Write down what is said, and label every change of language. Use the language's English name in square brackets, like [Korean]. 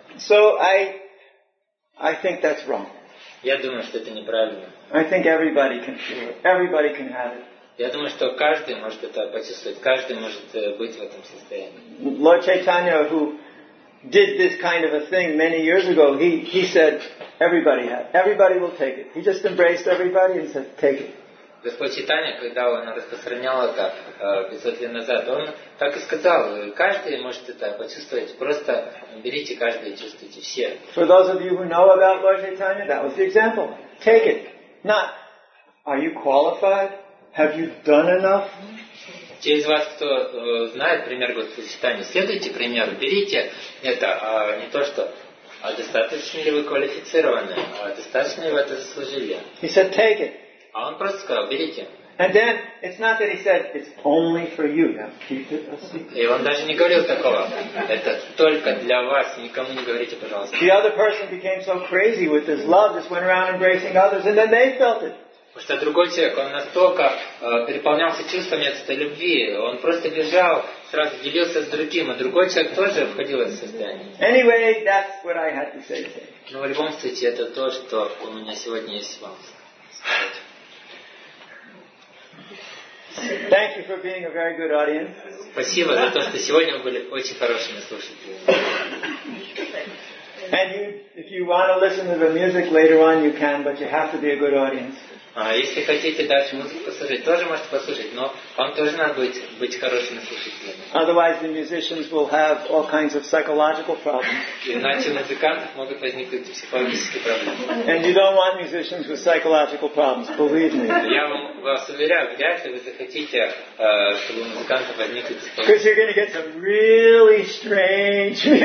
[English] So I think that's wrong. [Russian] Я думаю, что это неправильно. [English] I think everybody can feel it. Everybody can have it. [Russian] Я думаю, что каждый может это почувствовать. Каждый может быть в этом состоянии. [English] Lord Chaitanya, who did this kind of a thing many years ago, he said, everybody have. Everybody will take it. He just embraced everybody and said, take it. [Russian] Господь Чайтанья, когда он распространял это 500 лет назад, он так и сказал, каждый может это почувствовать, просто берите каждый и чувствуйте все. [English] For those of you who know about Lord Chaitanya, that was the example. Take it. Not, are you qualified? Have you done enough? [Russian] Те из вас, кто знает пример Господа Чайтанья, следуйте примеру, берите это, а не то, что а достаточно ли вы квалифицированы, а достаточно ли вы это заслужили? [English] He said, take it. [Russian] А он просто сказал, берите. [English] And then it's not that he said it's only for you. Now keep it a secret. [Russian] И он даже не говорил такого. Это только для вас. Никому не говорите, пожалуйста. [English] The other person became so crazy with his love, just went around embracing others, and then they felt it. [Russian] Потому что другой человек, он настолько переполнялся чувствами этой любви, он просто бежал, сразу делился с другим, а другой человек тоже входил в это состояние. [English] Anyway, that's what I had to say. [Russian] Но в любом случае, это то, что у меня сегодня есть вам сказать. [English] Thank you for being a very good audience. [Russian] Спасибо за то, что сегодня вы были очень хорошими слушателями. [English] And you, if you want to listen to the music later on, you can, but you have to be a good audience. [Russian] А если хотите дальше музыку послушать, тоже можете послушать, но вам тоже надо быть хорошими слушателями. [English] Otherwise, the musicians will have all kinds of psychological problems. [Russian] Иначе у музыкантов могут возникнуть психологические проблемы. [English] And you don't want musicians with psychological problems, believe me. [Russian] Я вас уверяю, вряд ли вы захотите, чтобы у музыкантов возникли психологические. [English] Because you're going to get some really strange